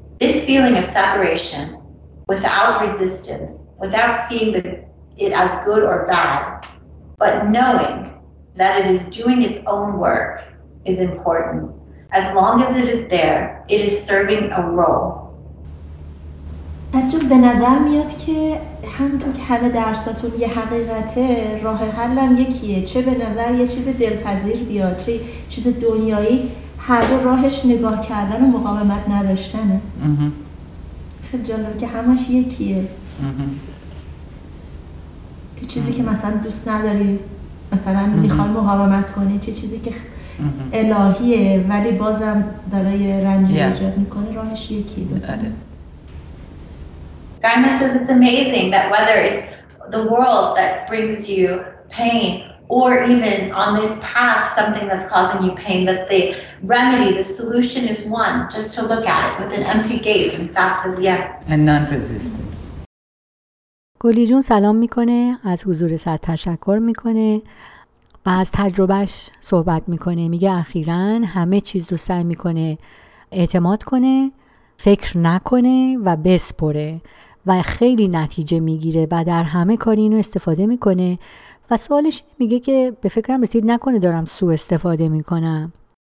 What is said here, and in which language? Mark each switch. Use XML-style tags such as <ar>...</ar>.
<en>This feeling of separation without resistance, without seeing it as good or bad, but knowing that it is doing its own work is important. As long as it is there, it is serving a role.</en> <fa>تجو به نظر میاد که همونطور که همه درساتون یه حقیقته، راه حل هم یکیه. چه به نظر یه چیز دلپذیر بیاد، چه چیز دنیایی، هر دو راهش نگاه کردن و مقاومت نداشتنه. خیلی جالبه که همش یکیه. که چیزی که مثلا دوست نداری، مثلا میخوای مقاومت کنی، چه چیزی که الهیه ولی بازم داره یه رنجی ایجاد میکنه، راهش یکیه.</fa> <en>Gaima says it's amazing that whether it's the world that brings you pain or even on this path something that's causing you pain, that the remedy, the solution is one, just to look at it with an empty gaze. And Sat says yes. And non-resistance.</en> <fa>گلی جون سلام میکنه، از حضور سات تشکر میکنه و از تجربهش صحبت میکنه. میگه اخیراً همه چیز رو سعی میکنه اعتماد کنه، فکر نکنه و بسپره و خیلی نتیجه میگیره و در همه کار اینو استفاده میکنه و سوالش میگه که به فکرم رسید نکنه دارم سوء استفاده میکنم.</fa>